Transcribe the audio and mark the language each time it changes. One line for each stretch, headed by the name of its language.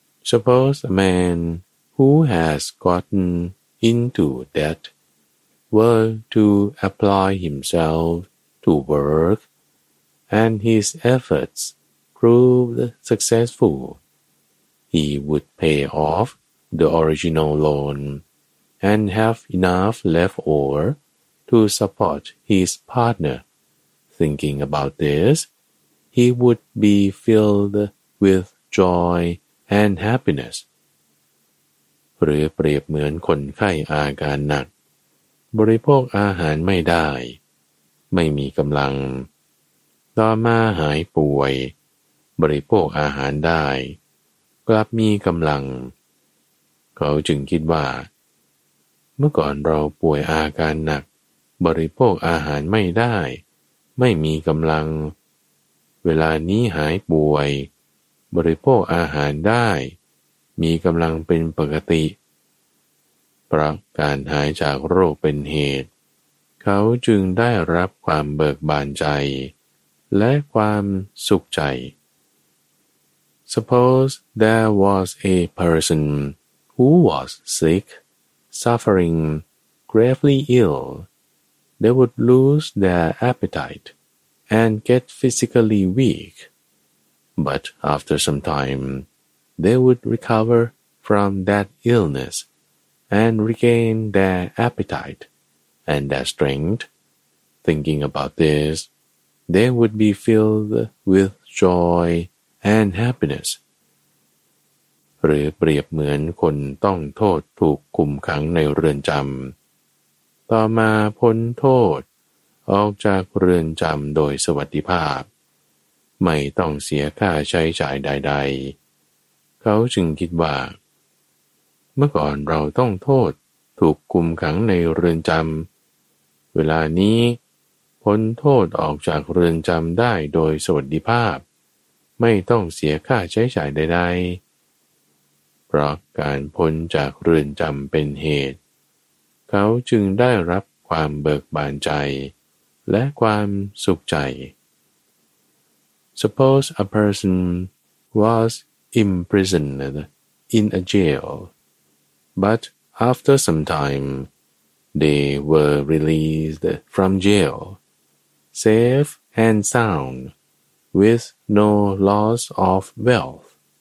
English: Suppose a man who has gotten into debt were to apply himself to work and his efforts proved successful, he would pay off the original loanand have enough left over to support his partner. Thinking about this, he would be filled with joy and happiness.
Thai: หรือเปรียบเหมือนคนไข้อาการหนักบริโภคอาหารไม่ได้ไม่มีกำลังต่อมาหายป่วยบริโภคอาหารได้กลับมีกำลัง เขาจึงคิดว่าเมื่อก่อนเราป่วยอาการหนักบริโภคอาหารไม่ได้ไม่มีกำลังเวลานี้หายป่วยบริโภคอาหารได้มีกำลังเป็นปกติเพราะการหายจากโรคเป็นเหตุเขาจึงได้รับความเบิกบานใจและความสุขใจ
English: Suppose there was a person who was sickSuffering gravely ill, they would lose their appetite and get physically weak. But after some time, they would recover from that illness and regain their appetite and their strength. Thinking about this, they would be filled with joy and happiness.
Thai: หรือเปรียบเหมือนคนต้องโทษถูกคุมขังในเรือนจำต่อมาพ้นโทษออกจากเรือนจำโดยสวัสดิภาพไม่ต้องเสียค่าใช้จ่ายใดๆเขาจึงคิดว่า เมื่อก่อนเราต้องโทษถูกคุมขังในเรือนจำเวลานี้พ้นโทษออกจากเรือนจำได้โดยสวัสดิภาพไม่ต้องเสียค่าใช้จ่ายใดๆเพราะการพ้นจากเรือนจำเป็นเหตุเขาจึงได้รับความเบิกบานใจและความสุขใจ
English: Suppose a person was imprisoned in a jail, but after some time they were released from jail, safe and sound, with no loss of wealth.